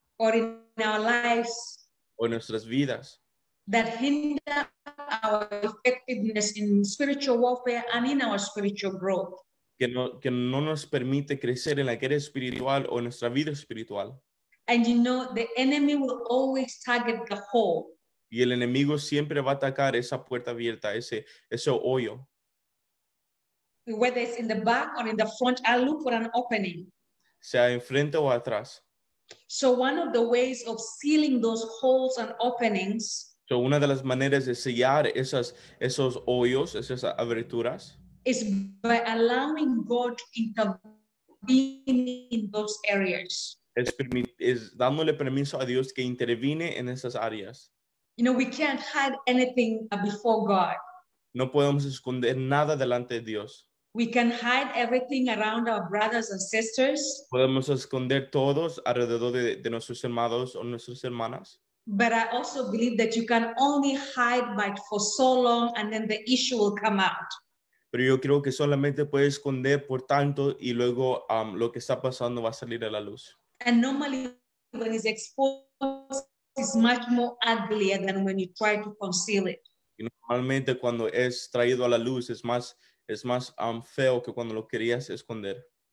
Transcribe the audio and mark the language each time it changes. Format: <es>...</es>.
<en>Or in our lives.</en> <es>O en nuestras vidas.</es> <en>That hinder our effectiveness in spiritual warfare and in our spiritual growth.</en> <es>Que no nos permite crecer en la guerra espiritual o en nuestra vida espiritual.</es> <en>And you know, the enemy will always target the hole.</en> <es>Y el enemigo siempre va a atacar esa puerta abierta, ese hoyo.</es> <en>Whether it's in the back or in the front, I look for an opening.</en> <es>Sea enfrente o atrás.</es> <en>So one of the ways of sealing those holes and openings.</en> <es>So una de las maneras de sellar esos hoyos, esas aberturas.</es> <en>Is by allowing God to intervene in those areas.</en> <es>Es dándole permiso a Dios que intervine en esas áreas.</es> <en>You know, we can't hide anything before God.</en> <es>No podemos esconder nada delante de Dios.</es> <en>We can hide everything around our brothers and sisters.</en> <es>Podemos esconder todos alrededor de nuestros hermanos o nuestras hermanas.</es> <en>But I also believe that you can only hide for so long and then the issue will come out.</en> <es>Pero yo creo que solamente puede esconder por tanto y luego lo que está pasando va a salir a la luz.</es> <en>And normally when it's exposed, it's much more uglier than when you try to conceal it.</en> <es>Y normalmente cuando es traído a la luz es más feo que cuando lo querías esconder.</es>